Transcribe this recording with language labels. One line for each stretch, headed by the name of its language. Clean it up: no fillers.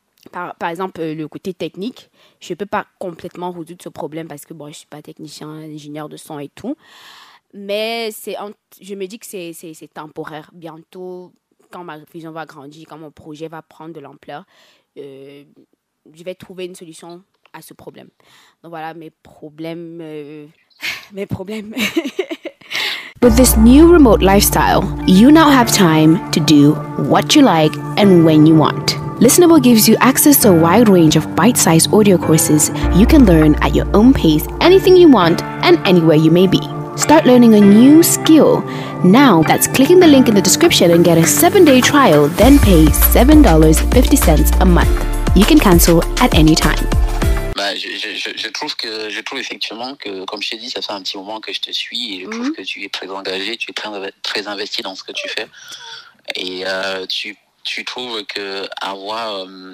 French: Par exemple, le côté technique, je ne peux pas complètement résoudre ce problème parce que bon, je ne suis pas technicien, ingénieur de son et tout. Mais je me dis que c'est temporaire. Bientôt, quand ma vision va grandir, quand mon projet va prendre de l'ampleur, je vais trouver une solution à ce problème. Donc voilà mes problèmes. mes problèmes.
English: With this new remote lifestyle, you now have time to do what you like and when you want. Listenable gives you access to a wide range of bite-sized audio courses you can learn at your own pace, anything you want, and anywhere you may be. Start learning a new skill now. That's clicking the link in the description and get a 7-day trial, then pay $7.50 a month. You can cancel at any time.
French: Je trouve effectivement que, comme je t'ai dit, ça fait un petit moment que je te suis et je trouve que tu es très engagé, tu es très, très investi dans ce que tu fais. Et tu trouves que avoir.